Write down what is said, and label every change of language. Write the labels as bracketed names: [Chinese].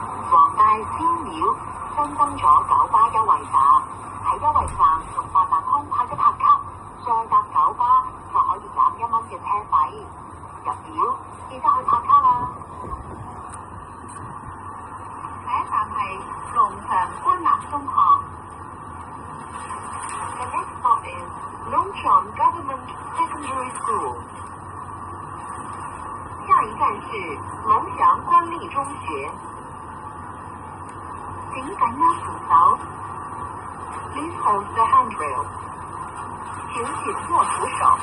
[Chinese] 黄大仙庙新增了九巴优惠站，在优惠站用八达通拍一拍卡，再搭九巴就可以减$1的车费。入庙记得去拍卡啦。下一站是龙翔观澜中学。 [English] The next stop is Longchang Government Secondary School. [Chinese] 下一站是龙翔官立中学。请紧握扶手。 [English] Please hold the handrail. [Chinese] 请紧握扶手。